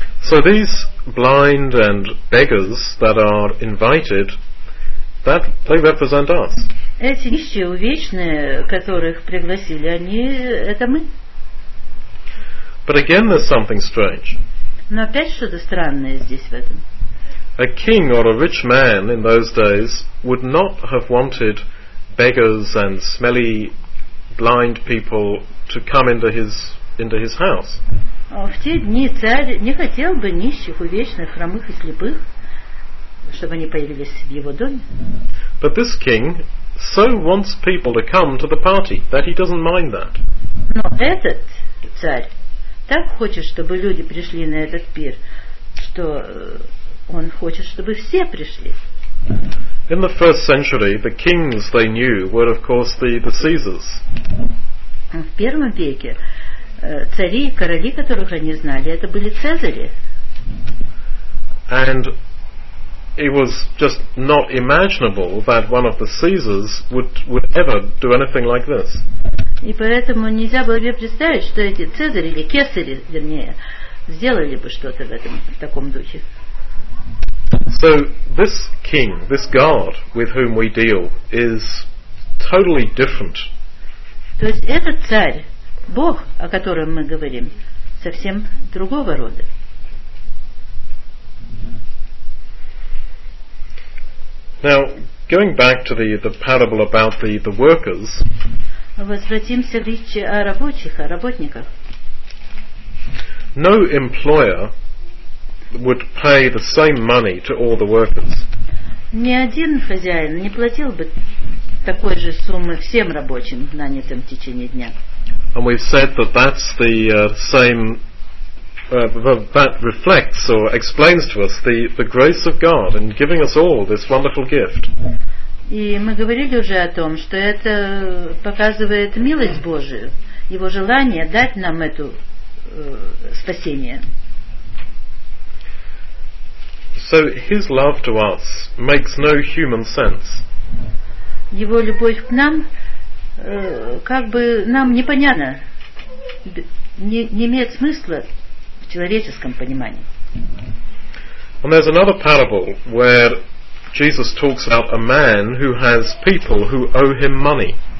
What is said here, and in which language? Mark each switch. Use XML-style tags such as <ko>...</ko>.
<en>So these blind and beggars that are invited, that they represent us.</en> <ru>Эти нищие, увечные, которых пригласили, они это мы.</ru> <en>But again, there's something strange.</en> <ru>Но опять что-то странное здесь в этом.</ru> <en>A king or a rich man in those days would not have wanted beggars and smelly blind people to come into his house.</en> <ru>В те дни царь не хотел бы нищих, увечных, хромых и слепых, чтобы они появились в его доме.</ru> <en>But this king so wants people to come to the party that he doesn't mind that.</en> <ru>Но этот царь так хочет, чтобы люди пришли на этот пир, что он хочет, чтобы все пришли.</ru> <en>In the first century, the kings they knew were, of course, the Caesars.</en> <ru>В первом веке цари и короли, которых они знали, это были цезари.</ru> <en>And it was just not imaginable that one of the Caesars would ever do anything like this.</en> <ru>И поэтому нельзя было себе представить, что эти цезари или кесари, вернее, сделали бы что-то в таком духе.</ru> <en>So this king, this god with whom we deal, is totally different.</en> <ru>То есть этот царь, Бог, о котором мы говорим, совсем другого рода.</ru> <en>Now, going back to the parable about the workers.</en> <ru>Возвратимся к речи о рабочих, о работниках.</ru> <en>No employer would pay the same money to all the workers.</en> <ru>Ни один хозяин не платил бы такой же суммы всем рабочим, нанятым в течение дня.</ru> <en>And we've said that that's the same that reflects or explains to us the grace of God in giving us all this wonderful gift.</en> <ru>И мы говорили уже о том, что это показывает милость Божию, его желание дать нам эту спасение.</ru> <en>So his love to us makes no human sense.</en> <ru>Его любовь к нам как бы нам непонятна, не имеет смысла в человеческом понимании.</ru> <en>And there's another parable where Jesus talks about a man who has people who owe him money.</en>